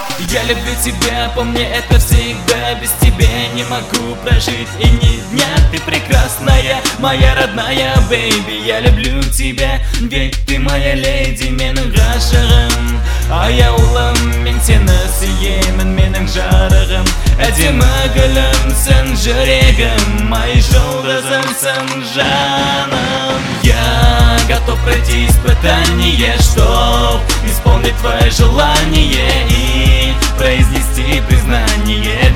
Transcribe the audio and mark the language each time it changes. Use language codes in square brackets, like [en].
[ru] Я люблю тебя, помни это всегда. Без тебя не могу прожить и ни дня. Ты прекрасная, моя родная, бэйби. Я люблю тебя, ведь ты моя леди. [kk] Менің ғашығым, аяулым. Мен сені сүйемін, менің жарығым. Әдемі гүлім сен жүрегім. Май жұлдызым сен жаным. [ru] Я готов пройти испытание, чтоб исполнить твое желание и произнести признание.